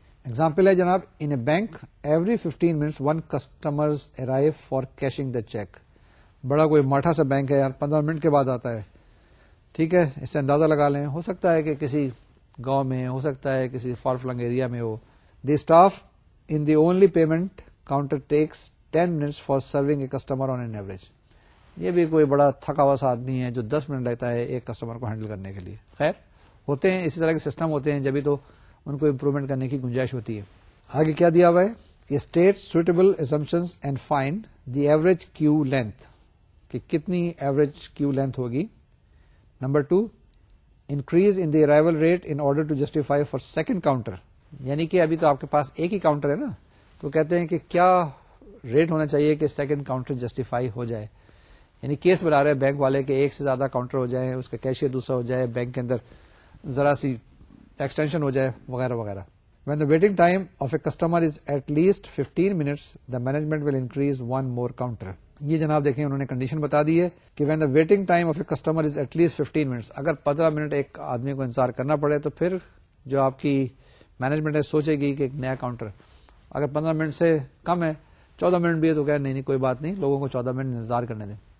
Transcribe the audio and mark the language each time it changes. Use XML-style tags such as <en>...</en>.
<en>example</en> <ur>ہے جناب,</ur> <en>In a bank every 15 minutes one customer arrive for cashing the cheque.</en> <ur>بڑا کوئی مٹھا سا بینک ہے یار, 15 منٹ کے بعد آتا ہے. ٹھیک ہے, اس سے اندازہ لگا لیں, ہو سکتا ہے کہ کسی گاؤں میں, ہو سکتا ہے کسی فار فلنگ ایریا میں ہو.</ur> <en>The staff in the only payment counter takes 10 minutes for serving a customer on an average.</en> <ur>یہ بھی کوئی بڑا تھکا ہوا سا آدمی ہے جو 10 منٹ لگتا ہے ایک کسٹمر کو ہینڈل کرنے کے لیے. خیر, ہوتے ہیں اسی طرح کے سسٹم ہوتے ہیں, جبھی تو ان کو امپروومنٹ کرنے کی گنجائش ہوتی ہے. آگے کیا دیا ہوا ہے, کہ</ur> <en>state suitable assumptions and find the average queue length,</en> <ur>کہ کتنی ایوریج کیو لینتھ ہوگی.</ur> <en>Number two, increase in the arrival rate in order to justify for second counter.</en> <ur>یعنی کہ ابھی تو آپ کے پاس ایک ہی کاؤنٹر ہے نا, تو کہتے ہیں کہ کیا ریٹ ہونا چاہیے کہ سیکنڈ کاؤنٹر جسٹیفائی ہو جائے. یعنی کیس بنا رہے ہیں بینک والے کہ ایک سے زیادہ کاؤنٹر ہو جائے, اس کا کیشیئر دوسرا ہو جائے, بینک کے اندر ذرا سی ایکسٹینشن ہو جائے وغیرہ وغیرہ.</ur> <en>When the waiting time of a customer is at least 15 minutes, the management will increase one more counter.</en> <ur>یہ جناب دیکھیں انہوں نے کنڈیشن بتا دی ہے کہ</ur> <en>when the waiting time of a customer is at least 15 minutes,</en> <ur>اگر 15 منٹ ایک آدمی کو انتظار کرنا پڑے تو پھر جو آپ کی مینجمنٹ ہے سوچے گی کہ ایک نیا کاؤنٹر. اگر 15 منٹ سے کم ہے, 14 منٹ بھی ہے, تو کہ نہیں نہیں کوئی بات نہیں, لوگوں کو 14 منٹ انتظار کرنے دیں.</ur>